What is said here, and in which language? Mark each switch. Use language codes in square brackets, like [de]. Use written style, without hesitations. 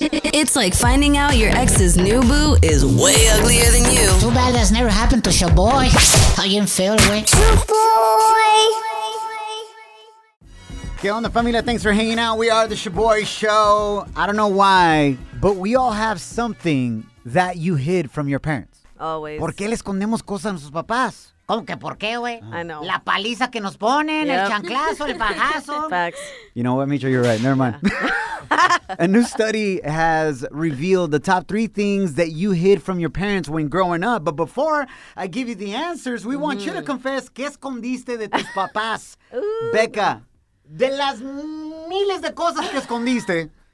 [en] It's like finding out your ex's new boo is way uglier than you. Too bad that's never happened to Shoboy. How you feel, boy? Shoboy. Okay, on the familia, thanks for hanging out. We are the Shoboy Show. I don't know why, but we all have something that you hid from your parents. Always. [es] ¿Por qué le escondemos cosas a nuestros papás? ¿Cómo que por qué, güey? [en] I know. [es] La paliza que nos ponen, el chanclazo, el pajazo. [en] Facts. You know what, Micho, you're right. Never mind. A new study has revealed the top three things that you hid from your parents when growing up. But before I give you the answers, we want you to confess, [es] ¿qué escondiste de tus papás? [en] Becca. [es] De las miles de cosas que escondiste.